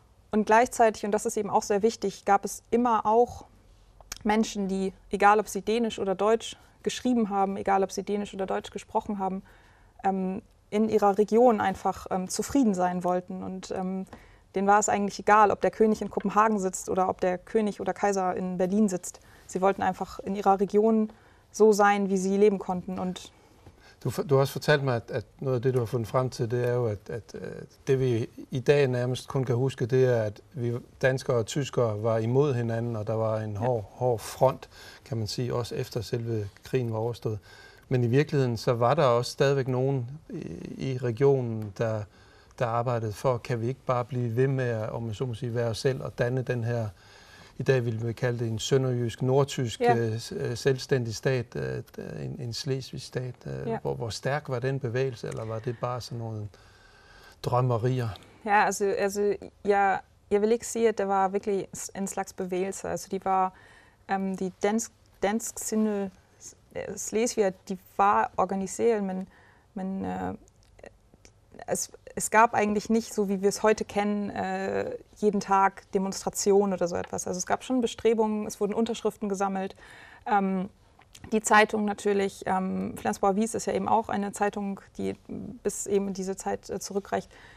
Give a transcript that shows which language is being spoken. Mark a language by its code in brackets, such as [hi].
[de] Und gleichzeitig, und das ist eben auch sehr wichtig, gab es immer auch Menschen, die, egal ob sie Dänisch oder Deutsch geschrieben haben, egal ob sie Dänisch oder Deutsch gesprochen haben, in ihrer Region einfach zufrieden sein wollten. Und denen war es eigentlich egal, ob der König in Kopenhagen sitzt oder ob der König oder Kaiser in Berlin sitzt. Sie wollten einfach in ihrer Region so sein, wie sie leben konnten. Und [da] du hast fortalt mig, at noget af det, du har fundet frem til, det er jo, at det vi i dag nærmest kun kan huske, det er, at vi danskere og tyskere var imod hinanden, og der var en hård front, kan man sige, også efter selve krigen var overstået. Men i virkeligheden, så var der også stadigvæk nogen i regionen, der arbejdede for, kan vi ikke bare blive ved med at, om man så må sige, være os selv og danne den her, i dag ville vi kalde det en sønderjysk-nordtysk selvstændig stat, en slesvigsk stat. Hvor stærk var den bevægelse, eller var det bare sådan nogle drømmerier? Ja, altså jeg vil ikke sige, at det var virkelig en slags bevægelse. Altså de var, de dansk-sindede slesviger, de var organiseret, men [de] es gab eigentlich nicht, so wie wir es heute kennen, jeden Tag Demonstrationen oder so etwas. Also es gab schon Bestrebungen, es wurden Unterschriften gesammelt. Die Zeitung natürlich, Flensburger Avis ist ja eben auch eine Zeitung, die bis eben in diese Zeit zurückreicht.